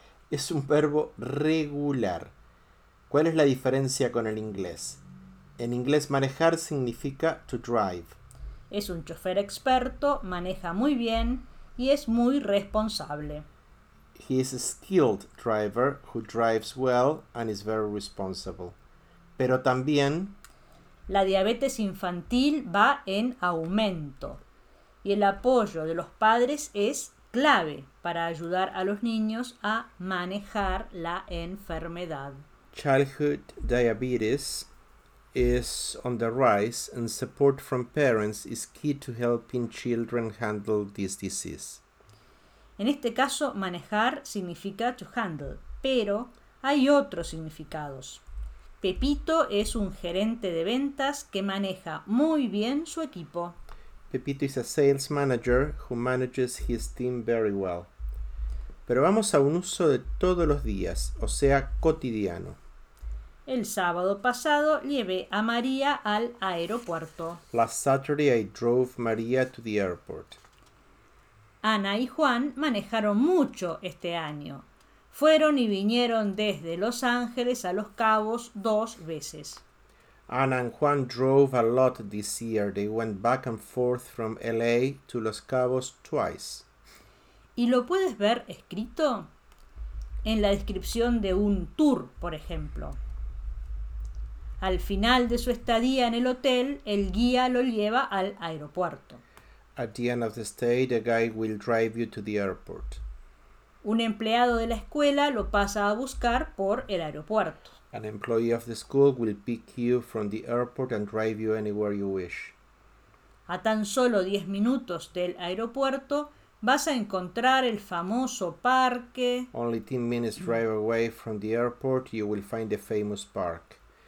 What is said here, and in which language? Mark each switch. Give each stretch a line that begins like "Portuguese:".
Spanish: Es un verbo regular. ¿Cuál es la diferencia con el inglés? En inglés, manejar significa
English: to drive.
Spanish: Es un chofer experto, maneja muy bien y es muy responsable.
English: He is a skilled driver who drives well and is very responsible.
Spanish: Pero también, la diabetes infantil va en aumento y el apoyo de los padres es clave para ayudar a los niños a manejar la enfermedad.
English: Childhood diabetes is on the rise and support from parents is key to helping children handle this disease.
Spanish: En este caso, manejar significa
English: to handle,
Spanish: pero hay otros significados. Pepito es un gerente de ventas que maneja muy bien su equipo.
English: Pepito is a sales manager who manages his team very well.
Spanish: Pero vamos a un uso de todos los días, o sea, cotidiano. El sábado pasado llevé a María al aeropuerto.
English: Last Saturday I drove María to the airport.
Spanish: Ana y Juan manejaron mucho este año. Fueron y vinieron desde Los Ángeles a Los Cabos 2 veces.
English: Ana and Juan drove a lot this year. They went back and forth from LA to Los Cabos 2 times.
Spanish: ¿Y lo puedes ver escrito? En la descripción de un tour, por ejemplo. Al final de su estadía en el hotel, el guía lo lleva al aeropuerto.
English: At the end of the stay, the guide will drive you to the airport.
Spanish: Un empleado de la escuela lo pasa a buscar por el aeropuerto.
English: An employee of the school will pick you from the airport and drive you anywhere you wish.
Spanish: A tan solo 10 minutos del aeropuerto vas a encontrar el famoso parque.
English: Only 10 minutes drive away from the airport, you will find the famous park.